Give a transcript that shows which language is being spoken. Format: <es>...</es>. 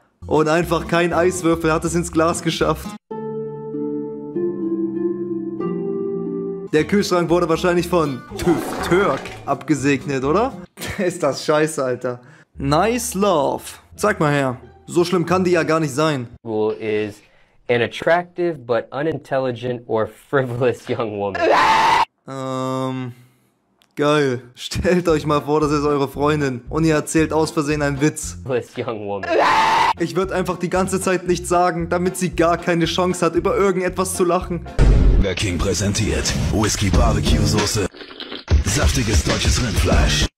<de>Und einfach kein Eiswürfel hat es ins Glas geschafft. Der Kühlschrank wurde wahrscheinlich von TÜV Türk abgesegnet, oder? Ist das scheiße, Alter.</de> <en>Nice love.</en> <de>Zeig mal her. So schlimm kann die ja gar nicht sein.</de> <en>Is an attractive but unintelligent or frivolous young woman.</en> <de>Geil. Stellt euch mal vor, das ist eure Freundin und ihr erzählt aus Versehen einen Witz.</de> <en>Young woman.</en> <de>Ich würde einfach die ganze Zeit nichts sagen, damit sie gar keine Chance hat, über irgendetwas zu lachen. Burger King präsentiert Whisky Barbecue Soße. Saftiges deutsches Rindfleisch.</de>